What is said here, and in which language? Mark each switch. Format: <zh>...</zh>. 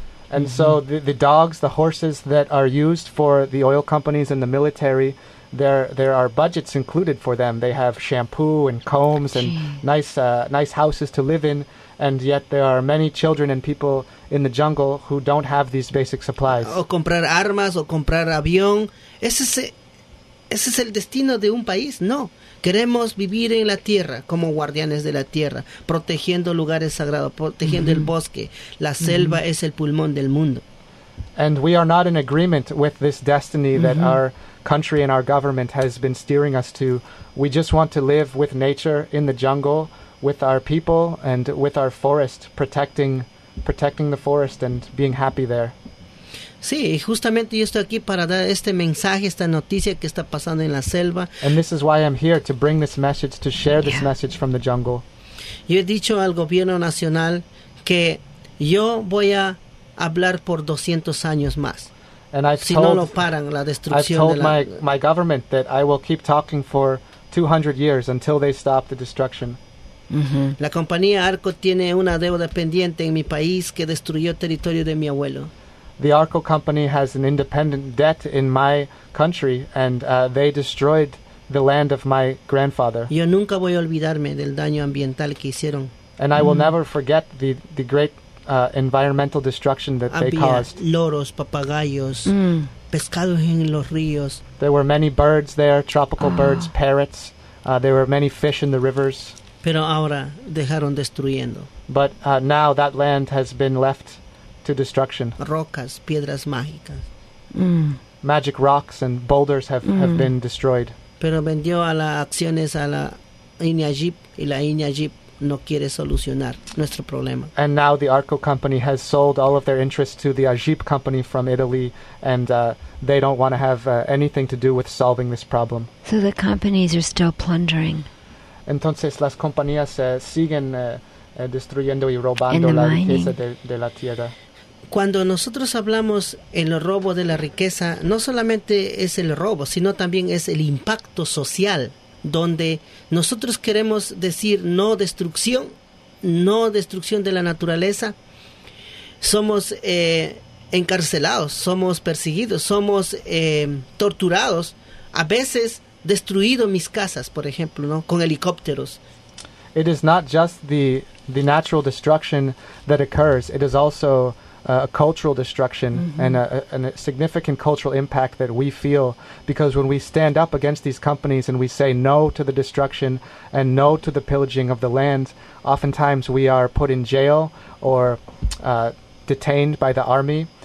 <en>And mm-hmm. so the dogs, the horses that are used for the oil companies and the military, there are budgets included for them. They have shampoo and combs and nice houses to live in. And yet there are many children and people in the jungle who don't have these basic supplies.</en> <es>O comprar armas, o comprar avión. Ese es el destino de un país. No. Queremos vivir en la tierra como guardianes de la tierra, protegiendo lugares sagrados, protegiendo mm-hmm. el bosque. La selva mm-hmm. es el pulmón del mundo.</es> <en>And we are not in agreement with this destiny mm-hmm. that our country and our government has been steering us to. We just want to live with nature in the jungle, with our people and with our forest, protecting the forest and being happy there.</en> <es>Sí, justamente yo estoy aquí para dar este mensaje, esta noticia que está pasando en la selva.</es> <en>And this is why I'm here, to bring this message, to share yeah. this message from the jungle.</en> <es>Yo he dicho al gobierno nacional que yo voy a hablar por 200 años más.</es> <en>And I've</en> <es>si</es> <en>told,</en> <es>no lo paran, la destrucción</es> <en>I've told</en> <es>de la,</es> <en>my government that I will keep talking for 200 years until they stop the destruction. Mm-hmm.</en> <es>La compañía Arco tiene una deuda pendiente en mi país que destruyó territorio de mi abuelo.</es> <en>the Arco Company has an independent debt in my country, and they destroyed the land of my grandfather.</en> <es>Yo nunca voy a olvidarme del daño ambiental que hicieron.</es> <en>And I will never forget the great environmental destruction that</en> <es>Había</es> <en>they caused.</en> <es>Loros, papagayos, pescados en los ríos.</es> <en>There were many birds there, tropical birds, parrots. There were many fish in the rivers.</en> <es>Pero ahora dejaron destruyendo.</es> <en>But now that land has been left to destruction.</en> <es>Rocas, piedras mágicas.</es> <en>Magic rocks and boulders have been destroyed.</en> <es>Pero vendió a las acciones a la INEAGIP y la INEAGIP no quiere solucionar nuestro problema.</es> <en>And now the Arco Company has sold all of their interests to the AGIP Company from Italy, and they don't want to have anything to do with solving this problem. So the companies are still plundering.</en> <es>Entonces las compañías siguen destruyendo y robando la riqueza de la tierra. Cuando nosotros hablamos el robo de la riqueza, no solamente es el robo, sino también es el impacto social, donde nosotros queremos decir no destrucción, no destrucción de la naturaleza. Somos encarcelados, somos perseguidos, somos torturados, a veces destruido mis casas, por ejemplo, ¿no? Con helicópteros.</es> <en>It is not just the natural destruction that occurs, it is also a cultural destruction and a significant cultural impact that we feel, because when we stand up against these companies and we say no to the destruction and no to the pillaging of the land, oftentimes we are put in jail or detained by the army.</en>